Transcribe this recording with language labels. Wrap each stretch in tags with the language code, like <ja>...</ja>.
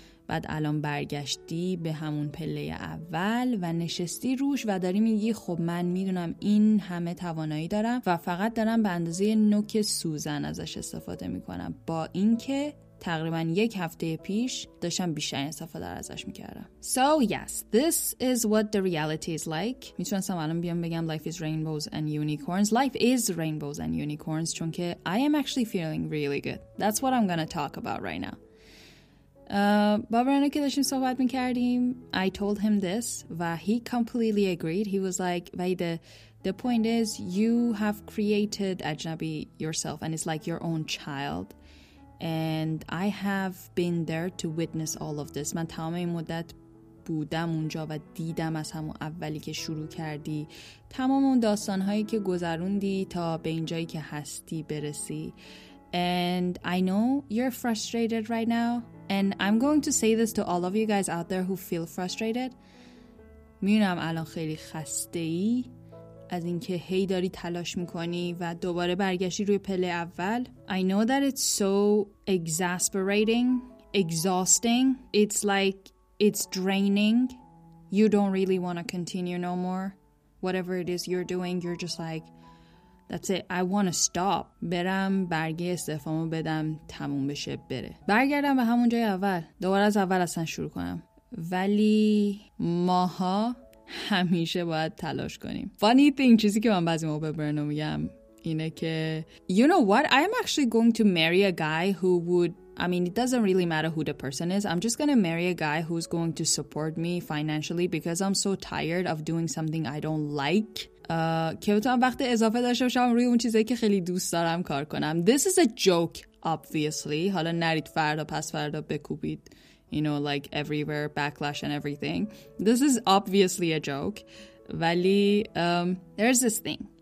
<fa>بعد الان برگشتی به همون پله اول و نشستی روش و داری میگی خب من میدونم این همه توانایی دارم و فقط دارم به اندازه نوک سوزن ازش استفاده میکنم، با اینکه تقریبا 1 هفته پیش داشتم بیشتر استفاده ازش میکردم.</fa> <en>So yes, this is what the reality is like.</en> <fa>میتونستم الان بیام بگم</fa> <en>life is rainbows and unicorns. Life is rainbows and unicorns</en> <fa>چون که</fa> <en>I am actually feeling really good. That's what I'm gonna talk about right now.</en> <fa>با برنو که داشتیم صحبت میکردیم</fa> <en>I told him this</en> <fa>و</fa> <en>he completely agreed. He was like Vaide, the point is you have created Ajnabi yourself and it's like your own child and I have been there to witness all of this.</en> <fa>من تمام این مدت بودم اونجا و دیدم از همون اولی که شروع کردی تمام اون داستانهایی که گذروندی تا به اینجایی که هستی برسی.</fa> <en>And I know you're frustrated right now. And I'm going to say this to all of you guys out there who feel frustrated.</en> <fa>میونم الان خیلی خسته ای از اینکه هی داری تلاش میکنی و دوباره برگشتی روی پله اول.</fa> <en>I know that it's so exasperating, exhausting. It's like it's draining. You don't really want to continue no more. Whatever it is you're doing, you're just like, that's it, I want to stop.</en> <fa>برم برگه استعفامو بدم تموم بشه بره. برگردم به همون جای اول. دوباره از اول اصلا شروع کنم. ولی ماها همیشه باید تلاش کنیم.</fa> <en>Funny thing,</en> <fa>چیزی که من بعضی موقع به برنو میگم اینه که</fa> <en>You know what? I am actually going to marry a guy who would I mean, it doesn't really matter who the person is. I'm just going to marry a guy who's going to support me financially because I'm so tired of doing something I don't like.</en> <fa>که بتونم وقت اضافه داشته باشم روی اون چیزایی که خیلی دوست دارم کار کنم.</fa> <en>This is a joke, obviously.</en> <fa>حالا نرید فردا پس فردا بکوبید.</fa> <en>You know, like everywhere, backlash and everything. This is obviously a joke.</en> <fa>ولی</fa> <en>there's this thing.</en>